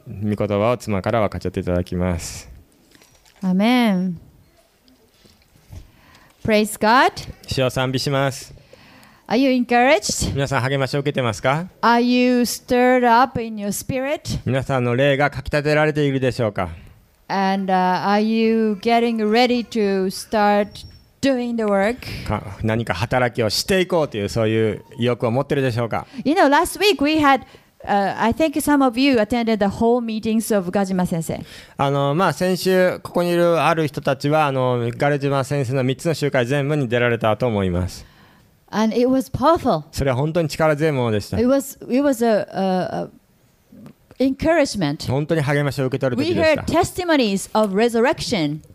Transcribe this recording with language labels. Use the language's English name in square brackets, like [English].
[Japanese] 御言葉を妻から分かち合っていただきます。アメン。 [English] Praise God。 [Japanese] 主を賛美します。 [English] Are you encouraged? [Japanese] 皆さん励ましを受けてますか? [English] Are you stirred up in your spirit? [Japanese] 皆さんの霊がかきたてられているでしょうか? [English] And are you getting ready to start doing the work? [Japanese] 何か働きをしていこうというそういう意欲を持ってるでしょうか? [English] You know, last week we had, I think some of you attended the whole meetings of Gajima 先生. [Japanese] まあ先週ここにいるある人たちはガジマ先生の3つの集会全部に出られたと思います。 [English] And it was powerful. [Japanese] それは本当に力強いものでした。 [English] It was a encouragement. [Japanese] 本当に励ましを受け取る時でした。 [English] We heard testimonies of resurrection.